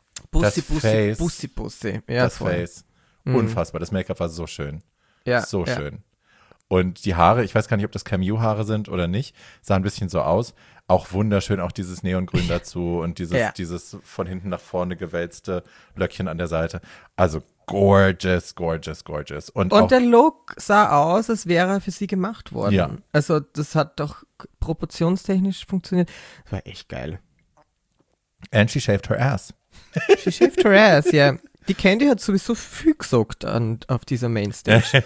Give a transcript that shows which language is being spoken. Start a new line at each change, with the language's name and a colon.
German: Bussi, Bussi. Ja, das voll. Face. Unfassbar. Das Make-up war so schön. Ja. So schön. Und die Haare, ich weiß gar nicht, ob das Cameo-Haare sind oder nicht, sah ein bisschen so aus. Auch wunderschön, auch dieses Neongrün dazu und dieses von hinten nach vorne gewälzte Löckchen an der Seite. Also gorgeous, gorgeous, gorgeous. Und der Look sah aus, als wäre er für sie gemacht worden. Ja. Also das hat doch proportionstechnisch funktioniert. Das war echt geil.
English: And she shaved her ass. She shaved her ass, yeah.
German: Die Candy hat sowieso viel gesagt auf dieser Mainstage.